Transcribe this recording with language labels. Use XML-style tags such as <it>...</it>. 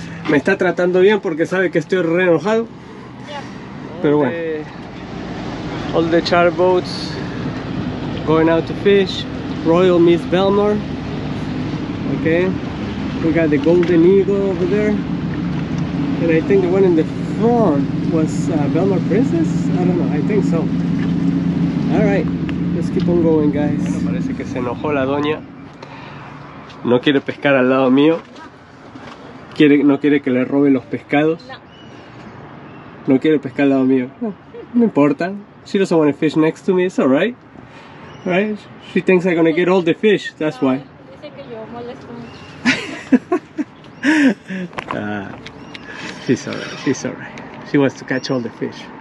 <es>Me está tratando bien porque sabe que estoy re enojado. Pero bueno.</es> <en>All the char boats going out to fish. Royal Miss Belmar. Okay. We got the golden eagle over there. And I think the one in the front was Belmar Princess? I don't know, I think so. Alright, let's keep on going, guys.</en> <es>Bueno, parece que se enojó la doña. No quiere pescar al lado mío. Quiere, no quiere que le robe los pescados. No. No quiere pescar al lado mío. No, no importa.</es> <en>She doesn't want to fish next to me, it's alright. Right? She thinks I'm gonna get all the fish, that's why.</en> <es>Dice que yo molesto mucho.</es> <en>She's alright, she's alright. She wants to catch all the fish.</en>